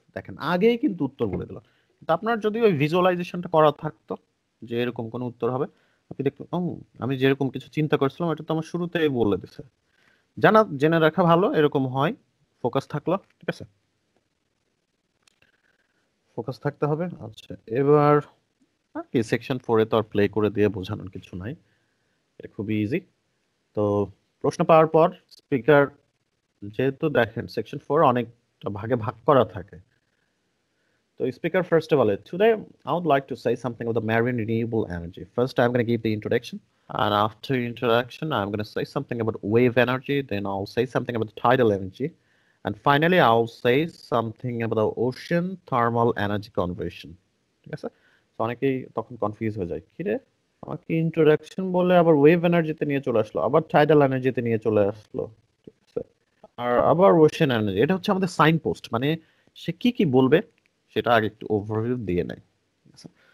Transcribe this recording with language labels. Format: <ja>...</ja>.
<bn>দেখেন আগেই কিন্তু উত্তর বলে দিল, আপনার যদি ওই ভিজুয়ালাইজেশনটা করা থাকতো যে এরকম কোন উত্তর হবে, আপনি দেখুন আমি যেরকম কিছু চিন্তা করছিলাম এটা তো আমার শুরুতেই বলে দিছে, জানা জেনে রাখা ভালো, এরকম হয়, ফোকাস থাকলো, ঠিক আছে, ফোকাস থাকতে হবে। আচ্ছা এবার আর কি, সেকশন ফোরে তো আর প্লে করে দিয়ে বোঝানোর কিছু নাই, এটা খুবই ইজি। তো প্রশ্ন পাওয়ার পর স্পিকার, যেহেতু দেখেন সেকশন ফোর অনেকটা ভাগে ভাগ করা থাকে,</bn> <en>So speaker, first of all, today I would like to say something about the marine renewable energy. First, I'm going to give the introduction, and after introduction, I'm going to say something about wave energy, then I'll say something about the tidal energy, and finally, I'll say something about the ocean thermal energy conversion. Yes, sir?</en> <bn>So, অনেকেই তখন confuse হয়ে যায়, কি রে আমার কি introduction বলে আবার ওয়েভ এনার্জিতে নিয়ে চলে আসলো, আবার টাইডাল এনার্জিতে নিয়ে চলে আসলো, ঠিক আছে, আর আবার ওশান এনার্জি। এটা হচ্ছে আমাদের সাইন পোস্ট, মানে সে কি কি বলবে সেটা আগে একটু ওভারভিউ দিয়ে নেয়, ঠিক আছে?</bn>